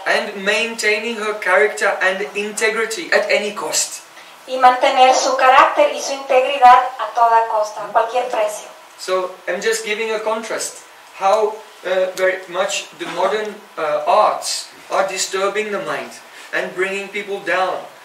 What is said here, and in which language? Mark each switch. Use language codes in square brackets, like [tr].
[en] And maintaining her character and integrity at any cost. [es] Y mantener su carácter y su integridad a toda costa, a cualquier precio. [en] So I'm just giving a contrast how very much the modern arts are disturbing the mind and bringing people down.